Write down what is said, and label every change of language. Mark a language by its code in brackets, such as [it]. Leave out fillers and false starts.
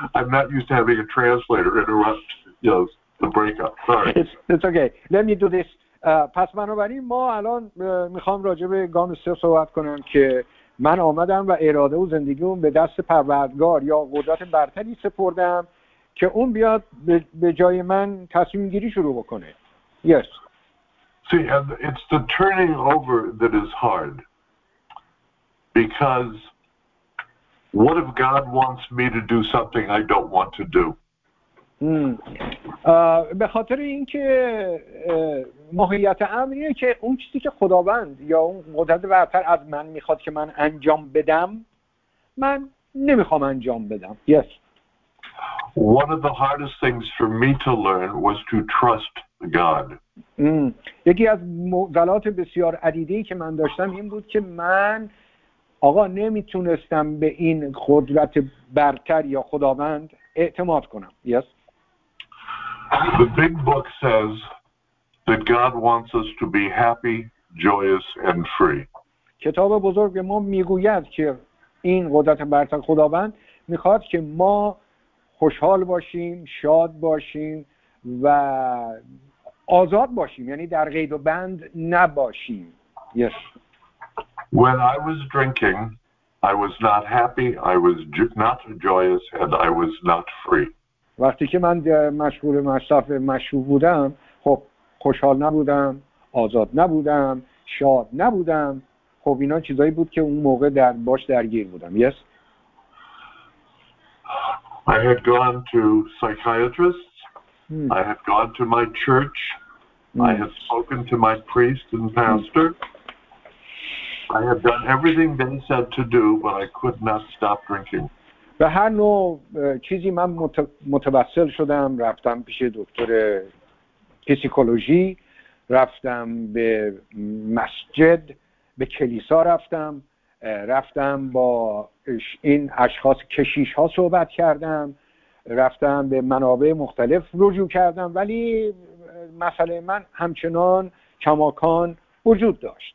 [en] I'm not used to having a translator interrupt, you know, the breakup. Sorry. It's okay. Let me do this. [fa] پس بنابراین ما الان میخوام راجع به گام سه صحبت کنم که من آمدم و اراده و زندگیم به دست پروردگار یا قدرت برتری سپردم که اون بیاد به جای من تصمیم گیری شروع بکنه. [en] Yes. See, and it's the turning over that is hard. Because what if God wants me to do something I don't want to do? [fa] به خاطر اینکه ماهیت امر اینه که اون چیزی که خداوند یا اون قدرت برتر از من میخواد که من انجام بدم من نمیخوام انجام بدم. [en] Yes. One of the hardest things for me to learn was to trust God. [fa] یکی از مشکلات بسیار عدیدی که من داشتم این بود که من آقا نمیتونستم به این قدرت برتر یا خداوند اعتماد کنم. [en] Yes. The big book says that God wants us to be happy, joyous, and free. [fa] کتاب بزرگ ما میگوید که این قدرت برتر خداوند میخواد که ما خوشحال باشیم، شاد باشیم و آزاد باشیم، یعنی در قید و بند نباشیم. [en] Yes. When I was drinking, I was not happy, I was not joyous, and I was not free. [fa] وقتی که من مشغول مصرف مشروب بودم، خب خوشحال نبودم، آزاد نبودم، شاد نبودم. خب اینا چیزایی بود که اون موقع در باش درگیر بودم. [en] Yes. I had gone to psychiatrists. I had gone to my church. I had spoken to my priest and pastor. I had done everything they said to do, but I could not stop drinking. [fa] به هر نوع چیزی من متوسل شدم، رفتم پیش دکتر پسیکولوژی، رفتم به مسجد، به کلیسا رفتم، رفتم با این اشخاص کشیش ها صحبت کردم، رفتم به منابع مختلف رجوع کردم، ولی مسئله من همچنان کماکان وجود داشت.